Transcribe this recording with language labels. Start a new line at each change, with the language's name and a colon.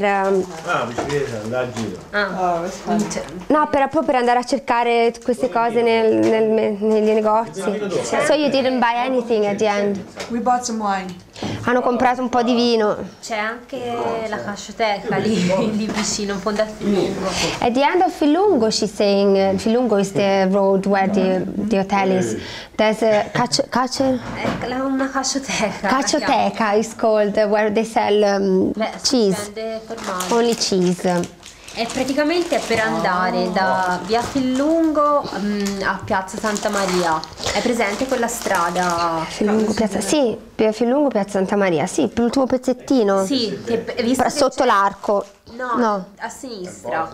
Italian: Per andare a cercare queste cose negli negozi.
English: So you didn't buy anything at the end. We bought some wine.
Italian: Hanno comprato un po' di vino. C'è anche la cascioteca lì, lì vicino, un po' da Filungo.
English: At the end of Filungo, she's saying, Filungo is the road where the hotel is. There's a cascioteca.
Italian: Una cascioteca.
English: Cascioteca is called, where they sell cheese, only cheese.
Italian: È praticamente per andare da via Filungo a Piazza Santa Maria. È presente quella strada? Filungo, Piazza, sì, via Filungo, Piazza Santa Maria. Sì, il tuo pezzettino. Sì, sotto l'arco. No, a sinistra.